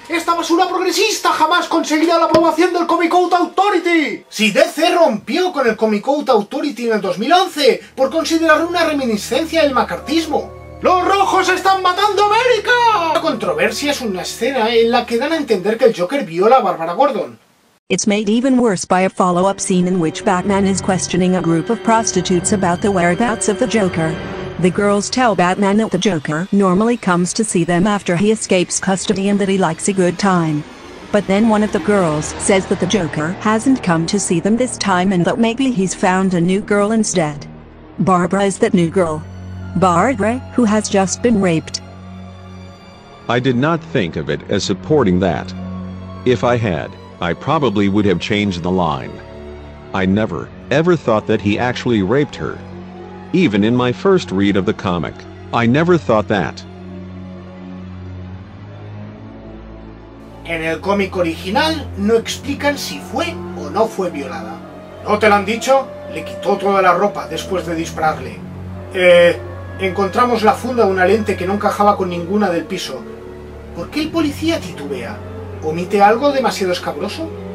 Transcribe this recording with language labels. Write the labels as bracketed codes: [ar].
[es] ¡Esta basura progresista jamás conseguirá la aprobación del Comic Code Authority! ¡Si DC rompió con el Comic Code Authority en el 2011 por considerar una reminiscencia del macartismo! ¡Los rojos están matando a América! La controversia es una escena en la que dan a entender que el Joker viola a Barbara Gordon. [en] It's made even worse by a follow-up scene in which Batman is questioning a group of prostitutes about the whereabouts of the Joker. The girls tell Batman that the Joker normally comes to see them after he escapes custody and that he likes a good time. But then one of the girls says that the Joker hasn't come to see them this time and that maybe he's found a new girl instead. Barbara is that new girl. Barbara, who has just been raped. I did not think of it as supporting that. If I had, I probably would have changed the line. I never, ever thought that he actually raped her. Even in my first read of the comic, I never thought that. [es] En el cómic original no explican si fue o no fue violada. ¿No te lo han dicho? Le quitó toda la ropa después de dispararle. Encontramos la funda de una lente que no encajaba con ninguna del piso. ¿Por qué el policía titubea? ¿Omite algo demasiado escabroso?